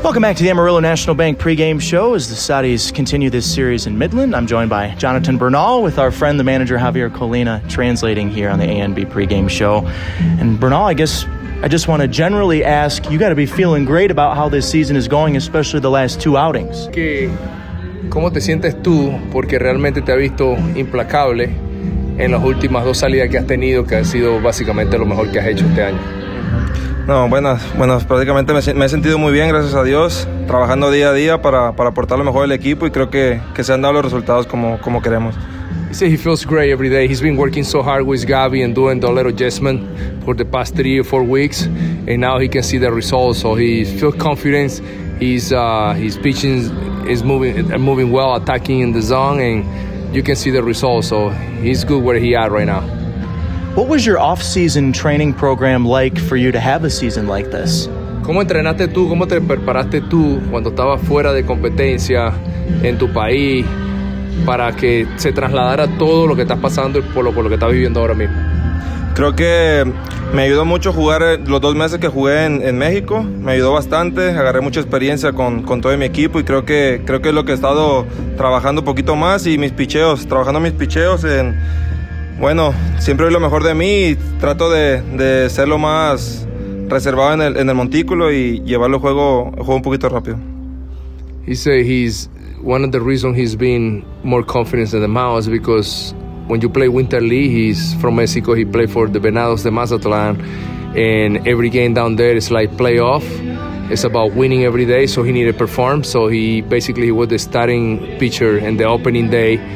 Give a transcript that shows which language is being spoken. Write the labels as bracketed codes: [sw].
[en] Welcome back to the Amarillo National Bank pregame show as the Saudis continue this series in Midland. I'm joined by Jonathan Bernal with our friend, the manager, Javier Colina, translating here on the ANB pregame show. And Bernal, I guess I just want to generally ask, you got to be feeling great about how this season is going, especially the last two outings. [es] ¿Cómo te sientes tú? Porque realmente te ha visto implacable en las últimas dos salidas que has tenido, que ha sido básicamente lo mejor que has hecho este año. No, bueno, prácticamente me he sentido muy bien, gracias a Dios, trabajando día a día para aportar lo mejor del equipo y creo que se han dado los resultados como queremos. [en] He said he feels great every day. He's been working so hard with Gabby and doing the little adjustment for the past 3 or 4 weeks, and now he can see the results. So he feels confident. His pitching is moving well, attacking in the zone, and you can see the results. So he's good where he at right now. What was your off-season training program like for you to have a season like this? [es] ¿Cómo entrenaste tú? ¿Cómo te preparaste tú cuando estabas fuera de competencia en tu país para que se trasladara todo lo que estás pasando y por lo que estás viviendo ahora mismo? Creo que me ayudó mucho jugar los 2 meses que jugué en México. Me ayudó bastante. Agarré mucha experiencia con todo mi equipo y creo que es lo que he estado trabajando un poquito más y mis picheos en... Bueno, siempre doy lo mejor de mí y trato de ser lo más reservado en el montículo y llevarlo el juego un poquito rápido. [en] He said he's one of the reasons he's been more confident in the mouse because when you play Winter League, he's from Mexico, he played for the Venados de Mazatlán, and every game down there is like playoff. It's about winning every day, so he needed to perform. So he basically was the starting pitcher in the opening day.